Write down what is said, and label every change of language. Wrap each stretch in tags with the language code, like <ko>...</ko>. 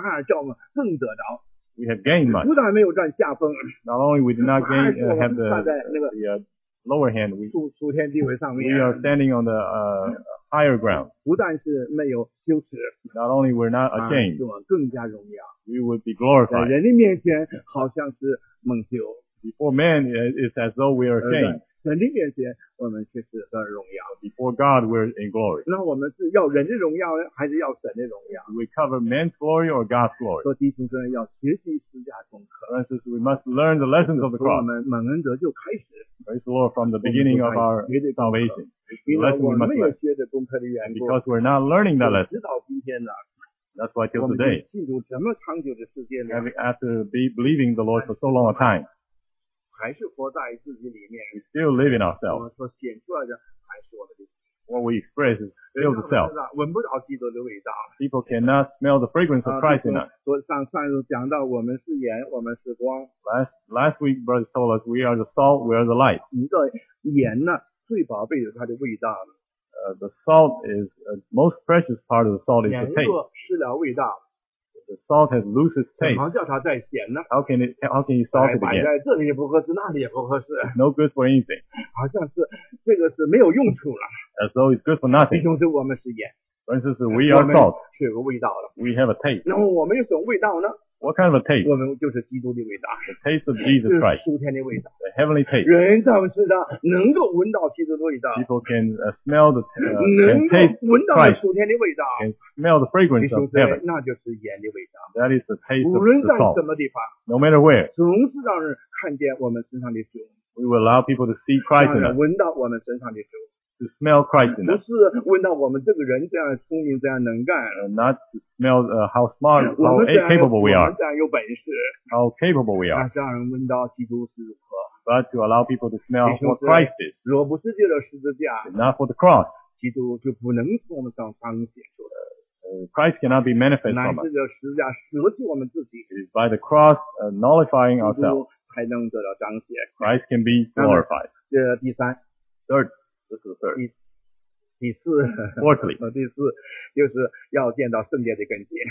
<zh>反而叫我们更得着。</zh> <en>We have gained much.</en> <zh>不但没有占下风。</zh> <en>Not only we did not gain, have the,、</en> <zh>那个、</zh> <en>the lower hand, we,</en> <zh>属天地位上面</zh> <en>we are standing on the higher ground.</en> <zh>不但是没有羞耻。</zh> <en>Not only we're not ashamed,</en> <zh>是我们更加荣耀。</zh> <en>We would be glorified.</en> <zh>在人的面前好像是蒙羞。</zh> <en>Before man, it's as though we are ashamed.</en> <zh>神的面前我们却是很荣耀。</zh> <en>Before God, we're in glory.</en> <zh>那我们是要人的荣耀还是要神的荣耀</zh> <en>We cover man's glory or God's glory.</en> <zh>说弟兄们要学习十字架功课</zh> <en>For instance, we must learn the lessons of the cross.</en> <zh>我们蒙恩得救开始</zh> <en>Praise the Lord from the beginning of our salvation. The lesson we must learn. And because we're not learning that lesson.</en> <zh>直到今天呢</zh> <en>That's why till today.</en> <zh>我们进入这么长久的时间呢</zh> <en>After believing the Lord for so long a time.</en> <zh>还是活在自己里面</zh> <en>We still live in ourselves</en> <zh>我们所显出来的还是我们的</zh> <en>what we express is filled the self.</en> <zh>闻不到基督的味道。</zh> <en>People cannot smell the fragrance of Christ in us.</en> <zh>所以上次讲到我们是盐，我们是光。</zh> <en>Last week, brother told us we are the salt, we are the light.</en> <zh>你知道盐呢，最宝贝的它的味道。</zh> <en>The salt is most precious part of the salt is the taste.</en> <zh>盐若失了味道。</zh> <en>The salt has lost its taste.</en> <zh>怎么叫它再咸呢？</zh> <en>How can you salt it again?</en> <zh>摆在这里也不合适，那里也不合适。</zh> <en>No good for anything.</en> <zh>好像是这个是没有用处了。</zh> <en>As though it's good for nothing.</en> <zh>弟兄们，我们是盐。</zh> <en>For instance, we are salt.</en> <zh>我们是有个味道了。</zh> <en>We have a taste.</en> <zh>那么我们有什么味道呢？</zh> <en>What kind of a taste?</en> <zh>我们就是基督的味道。</zh> <en>The taste of Jesus Christ.</en> <zh>是属天的味道。</zh> <en>The heavenly taste.</en> <zh>人在我们身上能够闻到基督的味道。</zh> <en>People can smell the taste of Christ.</en> <zh>能够闻到属天的味道。</zh> <en>Can smell the fragrance of heaven.</en> <zh>那就是盐的味道。</zh> <en>That is the taste of the salt.</en> <zh>无论在什么地方。</zh> <en>No matter where.</en> <zh>总是让人看见我们身上的主。</zh> <en>We will allow people to see Christ in us.</en> <zh>闻到我们身上的主。</zh> <en>To smell Christ in us.</en> <zh>不是闻到我们这个人这样聪明这样能干。</zh> <en>Not to smell how smart, how capable we are.</en> <zh>我们这样有本事。</zh> <en>How capable we are.</en> <zh>让人闻到基督是如何。</zh> <en>But to allow people to smell what Christ is.</en> <zh>若不是借着十字架。</zh> <en>Not for the cross.</en> <zh>基督就不能从我们上彰显出来。</zh> <en>Christ cannot be manifest from us.</en> <zh>乃是借着十字架舍弃我们自己。</zh> <en>By the cross, nullifying ourselves.</en> <zh>基督才能得到彰显。</zh> <en>Christ can be glorified.</en> <zh>这第三。</zh> <en>Third.</en> <zh>第四 第四就是要建造圣殿的根基。</zh>